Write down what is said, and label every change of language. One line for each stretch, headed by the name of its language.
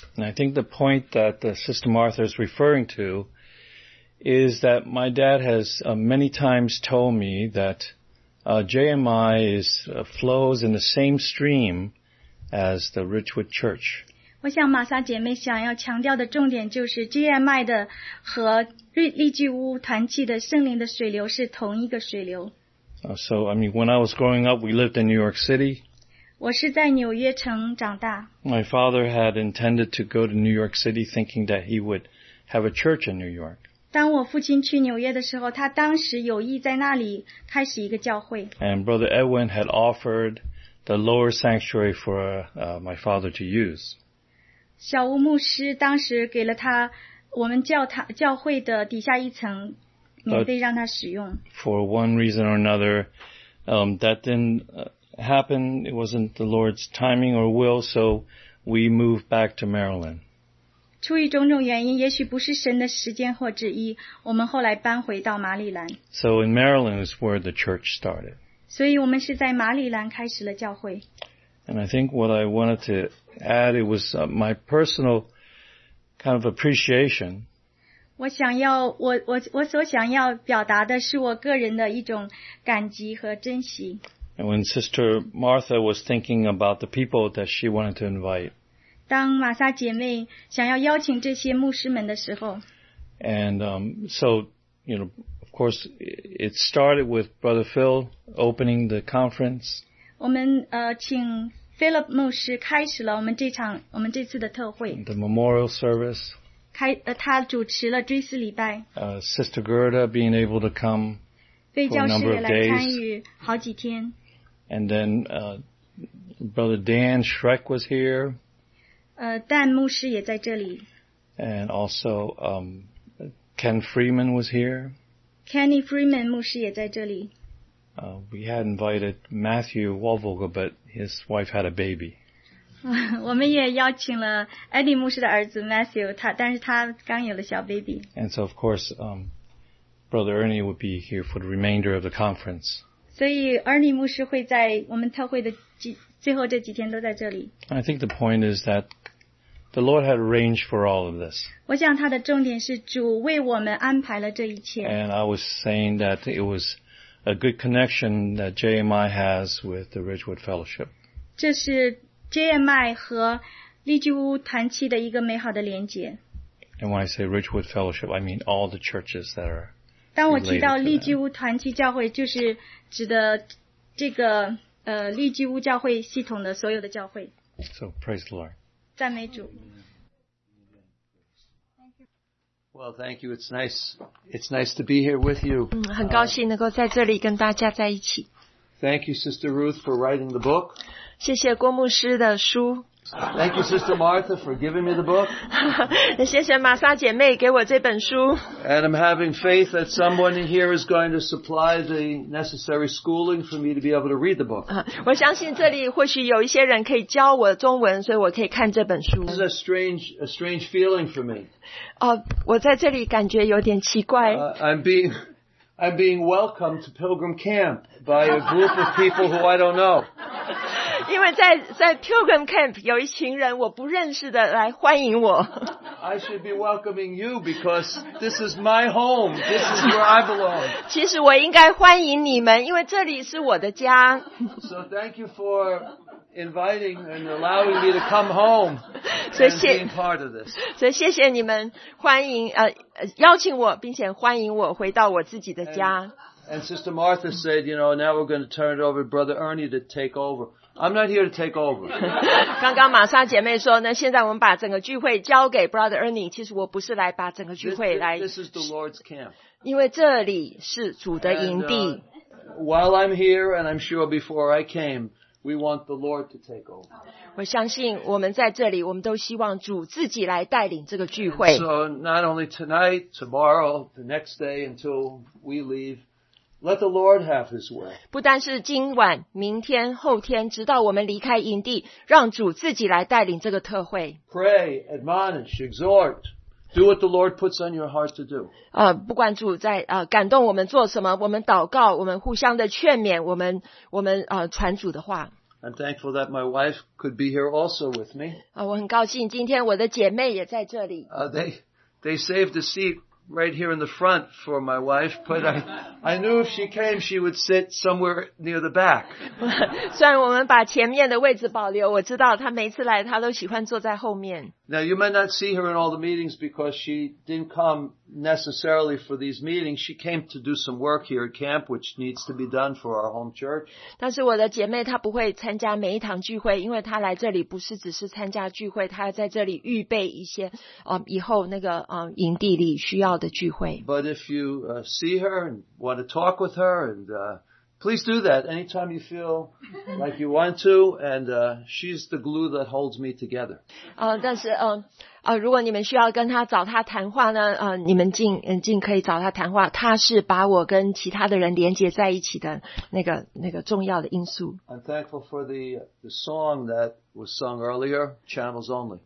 English: And I think the point that the Sister Martha is referring to is that my dad has many times told me that JMI flows in the same stream as the Richwood Church.
Chinese: 我想玛莎姐妹想要强调的重点就是 JMI 的和丽居屋团契的圣灵的水流是同一个水流。
English: So, I mean, when I was growing up, we lived in New York City.
Chinese: 我是在纽约城长大。
English: My father had intended to go to New York City thinking that he would have a church in New York.
Chinese: 当我父亲去纽约的时候，他当时有意在那里开始一个教会。
English: And Brother Edwin had offered the lower sanctuary for my father to use.
Chinese: 小吴牧师当时给了他我们教会的底下一层免费让他使用。
English: But、for one reason or another, that didn't happen. It wasn't the Lord's timing or will, so we moved back to Maryland.
Chinese: 出于种种原因，也许不是神的时间或旨意，我们后来搬回到马里兰。
English: So in Maryland is where the church started.
Chinese: 所以我们是在马里兰开始了教会。
English: And I think what I wanted to add, it was my personal kind of appreciation.
Chinese: 我所想要表达的是我个人的一种感激和珍惜。
English: And when Sister Martha was thinking about the people that she wanted to invite,
Chinese: 当玛莎姐妹想要邀请这些牧师们的时候。
English: And so, you know, of course, it started with Brother Phil opening the conference.
Chinese: 我们请Philip 牧师开始了我们这次的特会。
English: The memorial service.
Chinese: 他主持了追思礼拜。
English: Sister Gerda being able to come for a number of days.
Chinese: 来参与好几天。
English: And then Brother Dan Schreck was here.
Chinese: Dan 牧师也在这里。
English: And also Ken Freeman was here.
Chinese: Kenny Freeman 牧师也在这里。
English: We had invited Matthew Walvogel, but his wife had a baby.
Chinese: 我们也邀请了 Eddie 牧师的儿子 Matthew, 但是他刚有了小 baby.
English: And so, of course, Brother Ernie would be here for the remainder of the conference.
Chinese: 所以 Ernie 牧师会在我们特会的最后这几天都在这里。
English: I think the point is that the Lord had arranged for all of this.
Chinese: 我想他的重点是主为我们安排了这一切。
English: And I was saying that it was a good connection that JMI has with the Ridgewood Fellowship.
Chinese: 这是 JMI 和利基屋团契的一个美好的连接。
English: And when I say Ridgewood Fellowship, I mean all the churches that are.
Chinese: 当我提到利基屋团契教会，就是指的这个利基屋教会系统的所有的教会。
English: So praise the Lord.
Chinese: 赞美主。
English: Well, thank you. It's nice. It's nice to be here with you.
Chinese: 很高兴能够在这里跟大家在一起。
English: Thank you, Sister Ruth, for writing the book.
Chinese: 谢谢郭牧师的书。
English: Thank you, Sister Martha, for giving me the book.
Chinese: 谢谢玛莎姐妹给我这本书。
English: And I'm having faith that someone in here is going to supply the necessary schooling for me to be able to read the book.
Chinese: 我相信这里或许有一些人可以教我中文，所以我可以看这本书。
English: This is a strange feeling for me.
Chinese: 我在这里感觉有点奇怪。
English: I'm being welcomed to Pilgrim Camp by a group of people who I don't know.
Chinese: 因为在 Pilgrim Camp 有一群人我不认识的来欢迎我。
English: I should be welcoming you because this is my home. This is where I belong.
Chinese: 其实我应该欢迎你们，因为这里是我的家。
English: So thank you for inviting and allowing me to come home and being part of this.
Chinese: 所以谢谢你们欢迎邀请我，并且欢迎我回到我自己的家。
English: And Sister Martha said, you know, now we're going to turn it over to Brother Ernie to take over. I'm not here to take over.
Chinese: 刚刚玛莎姐妹说呢，现在我们把整个聚会交给 Brother Ernie， 其实我不是来把整个聚会来。
English: This is the Lord's camp.
Chinese: 因为这里是主的营地。
English: And, while I'm here, and I'm sure before I came, we want the Lord to take over.
Chinese: 我相信我们在这里，我们都希望主自己来带领这个聚会。
English: And so not only tonight, tomorrow, the next day until we leave. Let the Lord have His way.
Chinese: 不单是今晚、明天、后天，直到我们离开营地，让主自己来带领这个特会。
English: Pray, admonish, exhort. Do what the Lord puts on your heart to do.
Chinese: 不管主在感动我们做什么，我们祷告，我们互相的劝勉，我们传主的话。
English: I'm thankful that my wife could be here also with me.
Chinese: 我很高兴今天我的姐妹也在这里。
English: They saved a seat. Right here in the front for my wife, but I knew if she came, she would sit somewhere near the back.
Chinese: 虽然我们把前面的位置保留，我知道她每次来，她都喜欢坐在后面。
English: Now you might not see her in all the meetings because she didn't come necessarily for these meetings. She came to do some work here at camp, which needs to be done for our home church.
Chinese: 但是我的姐妹她不会参加每一堂聚会，因为她来这里不是只是参加聚会，她在这里预备一些以后那个营地里需要的聚会。
English: But if you see her and want to talk with her and please do that anytime you feel like you want to, and she's the glue that holds me together.
Chinese: 但是如果你们需要跟她找她谈话呢，你们尽可以找她谈话。她是把我跟其他的人连接在一起的那个重要的因素。
English: I'm thankful for the song that was sung earlier, Channels Only.